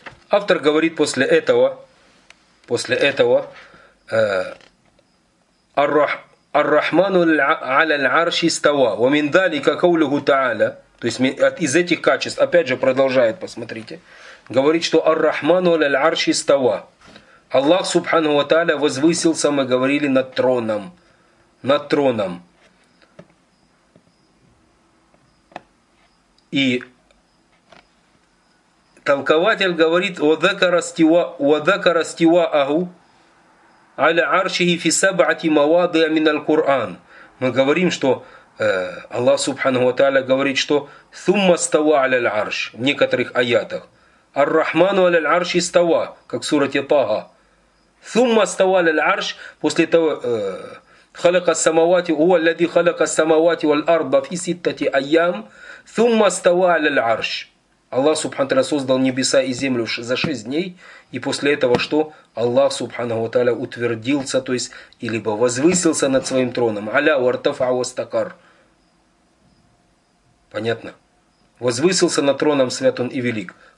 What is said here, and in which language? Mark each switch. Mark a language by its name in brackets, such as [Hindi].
[Russian] Автор говорит после этого [Arabic] Ар-Рахману аль-Арши става, ва мин далика каулюху та'аля. [Russian] То есть из этих качеств, опять же, продолжает, посмотрите, говорит, что [Arabic] Ар-Рахману аль-Арши става. [Russian] Аллах Субхану ва Тааля возвысился, мы говорили, над троном. Над троном. И толкователь говорит, [Arabic] وَذَكَرَ اسْتِوَاءَهُ عَلَى عَرْشِهِ فِي سَبْعَةِ مَوَادِيَ مِنَ الْقُرْآنِ. [Russian] Мы говорим, что Аллах Субхану ва Тааля говорит, что [Arabic] ثُمَّ اسْتَوَى عَلَى الْعَرْشِ [Russian] в некоторых аятах. [Arabic] الرَّحْمَنُ عَلَى الْعَرْشِ اسْتَوَى, [Russian] как в сурате Таха. [Arabic] ثُمَّ اسْتَوَى عَلَى الْعَرْشِ, [Russian] после того... [Arabic] خلق السماوات هو الذي خلق السماوات والأرض في ستة أيام ثم استوى على العرش. [Russian] Аллах Субхану ва Тааля создал небеса и землю за 6 дней, и после этого что? Аллах Субхану ва Тааля утвердился, то есть или бы возвысился над своим троном. [Arabic] Аля ва ртафа ва стакар. [Russian] Понятно? Возвысился над троном свят он и велик.